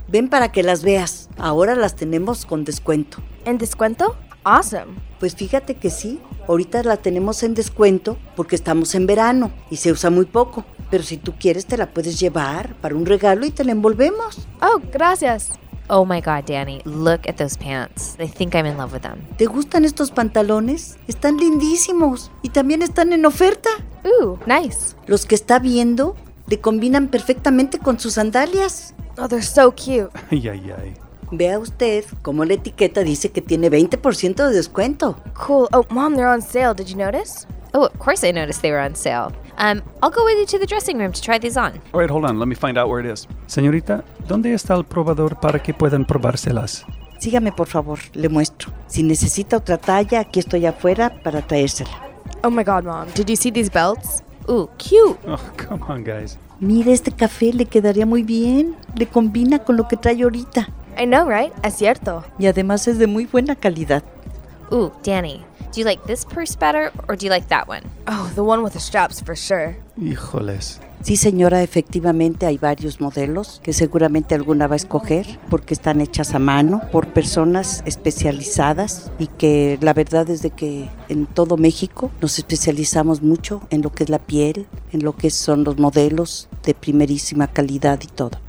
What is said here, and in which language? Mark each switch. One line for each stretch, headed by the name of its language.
Spanish: Ven para que las veas. Ahora las tenemos con descuento. ¿En descuento?
English: Awesome.
Spanish: Pues fíjate que sí. Ahorita la tenemos en descuento porque estamos en verano y se usa muy poco. Pero si tú quieres, te la puedes llevar para un regalo y te la envolvemos. Oh, gracias.
English: Oh my God, Danny, look at those pants. I think I'm in love with them.
Spanish: ¿Te gustan estos pantalones? Están lindísimos y también están en oferta.
English: Ooh, nice.
Spanish: Los que está viendo, Te combinan perfectamente con sus sandalias.
English: Oh, they're so cute. Ay, ay, ay.
Spanish: Vea usted cómo la etiqueta dice que tiene 20% de descuento.
English: Cool. Oh, Mom, they're on sale. Did you notice? Oh, of course I noticed they were on sale. I'll go with you to the dressing room to try these on. All right, hold on. Let me find out where it is.
Spanish: Señorita, ¿dónde está el probador para que puedan probárselas? Sígame, por favor. Le muestro. Si necesita otra talla, aquí estoy afuera para traérsela.
English: Oh, my God, Mom. Did you see these belts? Ooh, cute. Oh, come on, guys.
Spanish: Mira, este café le quedaría muy bien. Le combina con lo que trae ahorita.
English: I know, right?
Spanish: Es cierto. Y además es de muy buena calidad.
English: Ooh, Danny. Do you like this purse better, or do you like that one? Oh, the one with the straps, for sure.
Spanish: Híjoles. Sí, señora, efectivamente hay varios modelos que seguramente alguna va a escoger porque están hechas a mano por personas especializadas y que la verdad es de que en todo México nos especializamos mucho en lo que es la piel, en lo que son los modelos de primerísima calidad y todo.